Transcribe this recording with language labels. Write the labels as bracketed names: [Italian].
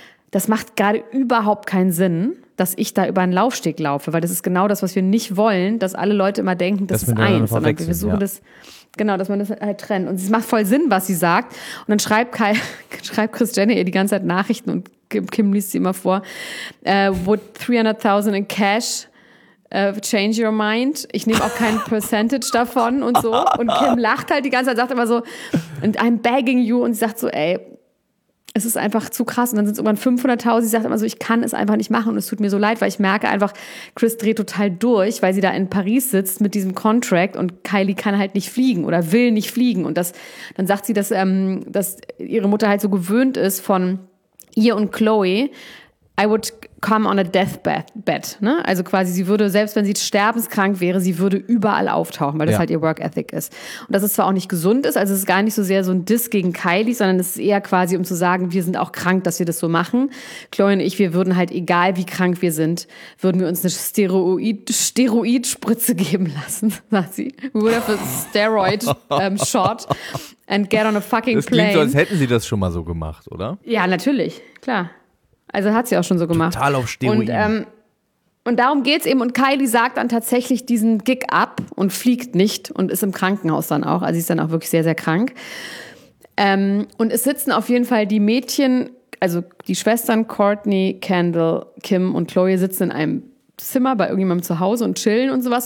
[German] Das macht gerade überhaupt keinen Sinn, dass ich da über einen Laufsteg laufe, weil das ist genau das, was wir nicht wollen, dass alle Leute immer denken, das ist eins. Sondern wir versuchen das. Genau, dass man das halt trennt. Und es macht voll Sinn, was sie sagt. Und dann schreibt Kris Jenner ihr die ganze Zeit Nachrichten und Kim liest sie immer vor. [English] Would 300.000 in cash change your mind? [German] Ich nehme auch kein Percentage davon und so. Und Kim lacht halt die ganze Zeit, sagt immer so, [English] and I'm begging you. [German] Und sie sagt so, ey, es ist einfach zu krass. Und dann sind es irgendwann 500.000. Sie sagt immer so, ich kann es einfach nicht machen. Und es tut mir so leid, weil ich merke einfach, Kris dreht total durch, weil sie da in Paris sitzt mit diesem Contract und Kylie kann halt nicht fliegen oder will nicht fliegen. Und das, dann sagt sie, dass ihre Mutter halt so gewöhnt ist von ihr und Chloe, [English] I would come on a deathbed. [German] Ne? Also quasi, sie würde, selbst wenn sie sterbenskrank wäre, sie würde überall auftauchen, weil das halt ihr Work Ethic ist. Und dass es zwar auch nicht gesund ist, also es ist gar nicht so sehr so ein Diss gegen Kylie, sondern es ist eher quasi, um zu sagen, wir sind auch krank, dass wir das so machen. Chloe und ich, wir würden halt, egal wie krank wir sind, würden wir uns eine Steroid-Spritze geben lassen, sagt sie. [English] We would have a steroid shot and get on a fucking [German] das [English] plane. [German] Das klingt so, als hätten sie das schon mal so gemacht, oder? Ja, natürlich, klar. Also hat sie auch schon so gemacht. Total auf Steroiden. Und darum geht's eben. Und Kylie sagt dann tatsächlich diesen Gig ab und fliegt nicht und ist im Krankenhaus dann auch. Also sie ist dann auch wirklich sehr, sehr krank. Und es sitzen auf jeden Fall die Mädchen, also die Schwestern Courtney, Kendall, Kim und Chloe sitzen in einem Zimmer bei irgendjemandem zu Hause und chillen und sowas.